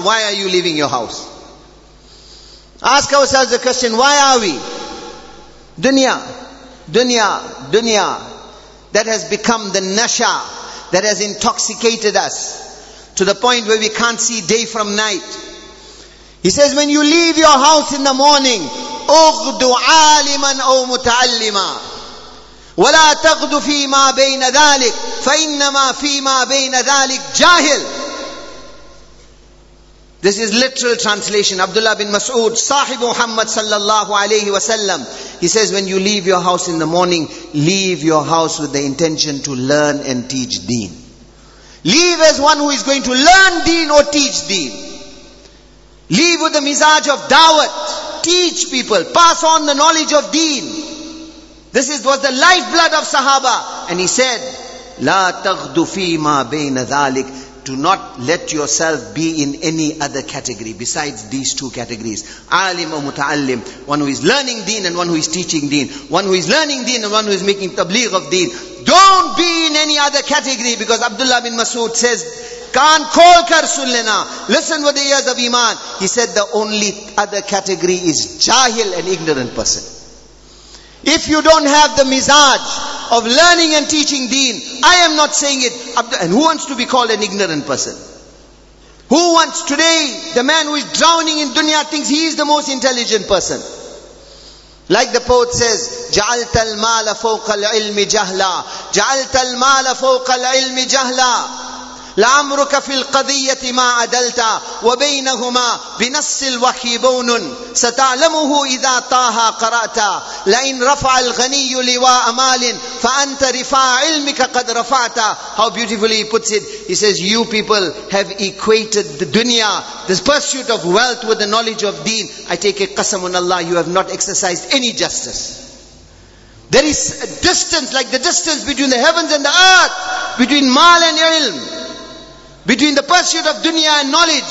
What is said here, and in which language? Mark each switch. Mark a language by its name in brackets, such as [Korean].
[English] Why are you leaving your house? Ask ourselves the question, why are we? Dunya, dunya, dunya. That has become the nasha that has intoxicated us to the point where we can't see day from night. He says, when you leave your house in the morning, [Arabic] اغدو عالما أو متعلما ولا تغدو فيما بين ذلك فإنما فيما بين ذلك جاهل. [English] This is literal translation. Abdullah bin Mas'ud, Sahib Muhammad sallallahu alayhi wa sallam. He says, when you leave your house in the morning, leave your house with the intention to learn and teach deen. Leave as one who is going to learn deen or teach deen. Leave with the mizaj of dawat. Teach people. Pass on the knowledge of deen. This is was the lifeblood of sahaba. And he said, [Arabic] لا تغدو فيما بين ذلك. [English] Do not let yourself be in any other category besides these two categories. Alim or muta'allim. One who is learning deen and one who is teaching deen. One who is learning deen and one who is making tabligh of deen. Don't be in any other category, because Abdullah bin Mas'ud says, [Urdu] Kan kol kar sunlena. [English] Listen with the ears of iman. He said the only other category is jahil, an ignorant person. If you don't have the mizaj of learning and teaching deen, I am not saying it. And who wants to be called an ignorant person? Who wants today, the man who is drowning in dunya thinks he is the most intelligent person? Like the poet says, [Arabic] جعلت المال فوق العلم جهلا جعلت المال فوق العلم جهلا لعمرك في القضية ما عدلت وبينهما بنص الوحي بون ستعلمه إذا طاها قرأت لئن رفع الغني لواء مال فأنت رفع علمك قد رفعت. [English] How beautifully he puts it. He says, you people have equated the dunya, this pursuit of wealth, with the knowledge of deen. I take a qasam on Allah, you have not exercised any justice. There is a distance, like the distance between the heavens and the earth, between mal and ilm, between the pursuit of dunya and knowledge.